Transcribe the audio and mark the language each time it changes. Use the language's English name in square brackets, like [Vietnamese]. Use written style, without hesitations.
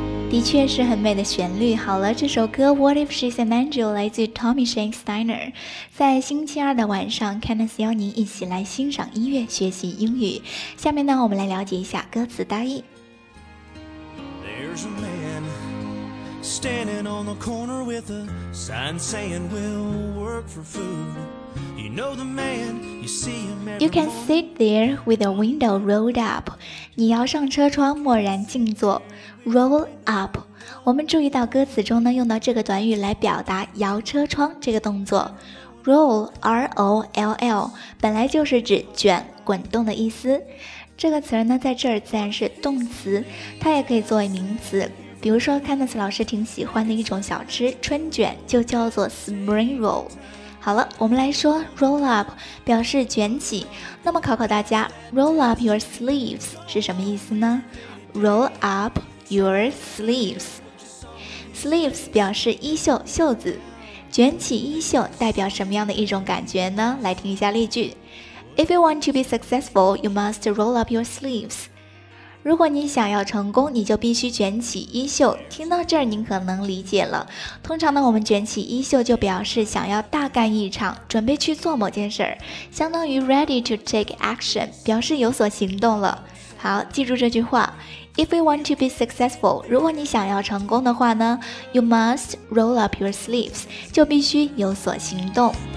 [Chinese] 的确是很美的旋律。好了，这首歌 What if she's an angel 来自 Tommy Shinsteiner。在星期二的晚上， Kenneth 邀您一起来欣赏音乐学习英语。下面呢，我们来了解一下歌词大意。 [English] There's a man standing on the corner with a sign saying we'll work for foodYou know the man, you see him every morning. You can sit there with the window rolled up. [Chinese] 你摇上车窗默然静坐。 [English] Roll up. [Chinese] 我们注意到歌词中呢用到这个短语来表达摇车窗这个动作。 Roll, R-O-L-L, 本来就是指卷、滚动的意思。这个词呢在这儿自然是动词，它也可以作为名词，比如说 Candice 老师挺喜欢的一种小吃春卷，就叫做 Spring Roll。好了，我们来说 roll up 表示卷起。那么考考大家 ， [English] roll up your sleeves [Chinese] 是什么意思呢 ？ [English] roll up your sleeves [Chinese] 表示衣袖、袖子。卷起衣袖代表什么样的一种感觉呢？来听一下例句 [English] ：If you want to be successful, you must roll up your sleeves。 [Chinese] 如果你想要成功，你就必须卷起衣袖。听到这儿，您可能理解了。通常呢，我们卷起衣袖就表示想要大干一场，准备去做某件事儿，相当于 [English] ready to take action， [Chinese] 表示有所行动了。好，记住这句话 ： [English] If you want to be successful， [Chinese] 如果你想要成功的话呢 ， [English] you must roll up your sleeves， [Chinese] 就必须有所行动。